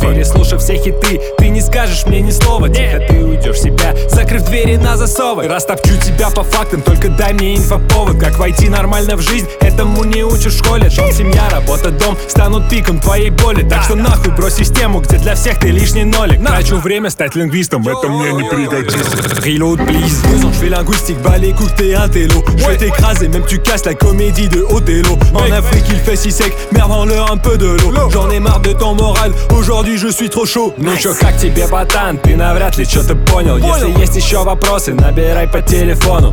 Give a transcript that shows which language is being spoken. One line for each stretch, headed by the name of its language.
Russian: Переслушав все хиты, ты не скажешь мне ни слова. Тихо, ты уйдешь в себя, закрыв двери на засовы. Растопчу тебя по фактам, только дай мне инфоповод. Как войти нормально в жизнь, этому не учишь в школе. Дом, семья, работа, дом станут пиком твоей боли. Так что нахуй брось систему, где для всех ты лишний нолик. Трачу время стать лингвистом, это мне не пригодится.
English: Reload, please.
French: Besoin de linguistique, bas les couilles, t'es un télo. Je vais t'écraser, même tu casses la comédie de Othello. En Afrique, il fait si sec, merde, rends-leur un peu de l'eau. J'en ai marre de ton moral, aujourd'hui je suis trop chaud.
Russian: Ну чё, как тебе, ботан? Ты навряд ли чё-то понял. Если есть ещё вопросы, набирай по телефону.